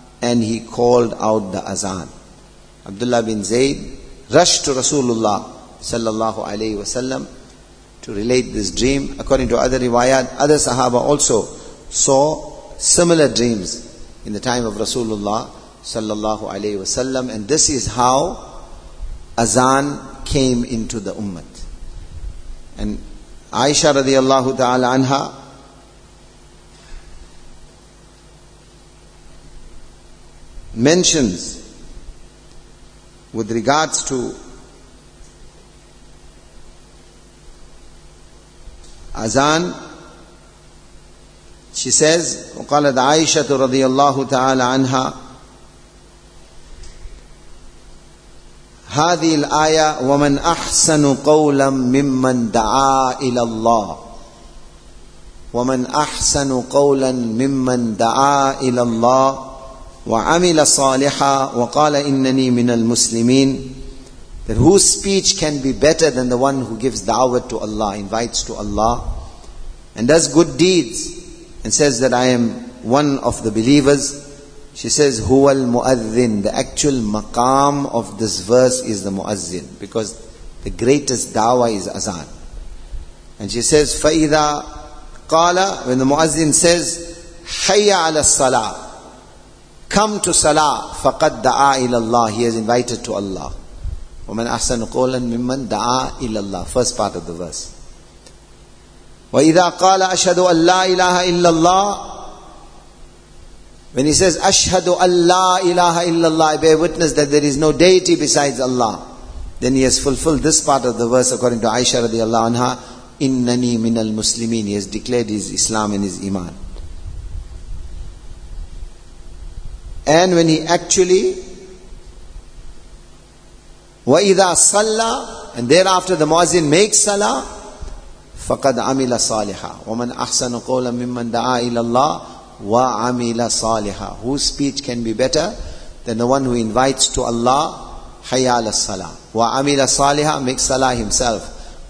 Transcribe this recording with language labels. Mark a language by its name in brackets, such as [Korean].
[English] And he called out the azan. Abdullah bin Zayd rushed to Rasulullah sallallahu alayhi wa sallam to relate this dream. According to other riwayat, other sahaba also saw similar dreams in the time of Rasulullah sallallahu alayhi wa sallam. And this is how azan came into the ummah. And Aisha radiallahu ta'ala anha, mentions with regards to azan, she says, [Arabic] وَقَالَتْ عَيْشَةُ رَضِيَ اللَّهُ تَعَالَ عَنْهَا هَذِي الْآيَةِ وَمَنْ أَحْسَنُ قَوْلًا مِمَّنْ دَعَى إِلَى اللَّهِ وَمَنْ أَحْسَنُ قَوْلًا مِمَّنْ دَعَى إِلَى اللَّهِ وَعَمِلَ صَالِحًا وَقَالَ إِنَّنِي مِنَ الْمُسْلِمِينَ. [English] That whose speech can be better than the one who gives da'wah to Allah, invites to Allah, and does good deeds, and says that I am one of the believers, She says, [Arabic] Huwal Mu'adhin. [English] The actual maqam of this verse is the Mu'adhin. Because the greatest da'wah is azan. And she says, [Arabic] Fa'idha qala, [English] when the Mu'adhin says, Hayya ala salah. Come to salah. [Arabic] Faqad da'a ilallah. [English] He has invited to Allah. [Arabic] وَمَنْ أَحْسَنُ قَوْلًا مِمَّنْ دَعَى إِلَّا اللَّهِ [English] First part of the verse. [Arabic] وَإِذَا قَالَ أَشْهَدُ أَنْ لَا إِلَهَ إِلَّا اللَّهِ [English] When he says, [Arabic] أَشْهَدُ أَنْ لَا إِلَهَ إِلَّا اللَّهِ [English] I bear witness that there is no deity besides Allah. Then he has fulfilled this part of the verse according to Aisha radiallahu anha. [Arabic] إِنَّنِي مِنَ الْمُسْلِمِينَ [English] He has declared his Islam and his Iman. And when he actually... [Arabic] وَإِذَا صَلَّى [English] And thereafter the Muazzin makes salah, [Arabic] فَقَدْ عَمِلَ صَالِحًا وَمَنْ أَحْسَنُ قَوْلًا مِمَّنْ دَعَى إِلَى اللَّهِ وَعَمِلَ صَالِحًا [English] Whose speech can be better than the one who invites to Allah, [Arabic] حَيَّالَ الصَّلَاةِ وَعَمِلَ صَالِحًا [English] Makes salah himself.